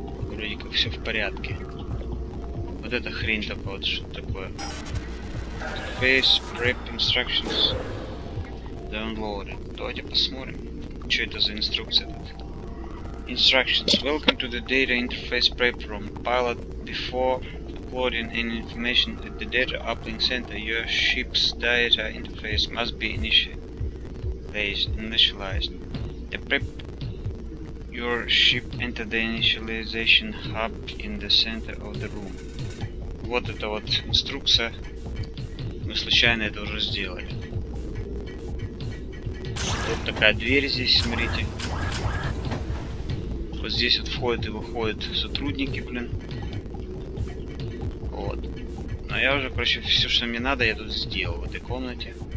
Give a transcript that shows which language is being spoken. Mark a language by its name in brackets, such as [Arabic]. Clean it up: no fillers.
[Russian] Вроде как все в порядке. Вот эта хрень такая, вот что такое. [English] Interface prep instructions downloaded. [Russian] Давайте посмотрим, что это за инструкция тут. [English] Instructions. Welcome to the data interface prep room. Pilot before uploading any information at the data uplink center, your ship's data interface must be initialized. The prep your ship enter the initialization hub in the center of the room. [Russian] Вот это вот инструкция. Мы случайно это уже сделали. Вот такая дверь здесь, смотрите. Вот здесь вот входят и выходят сотрудники, блин. А я уже, короче, все, что мне надо, я тут сделал в этой комнате.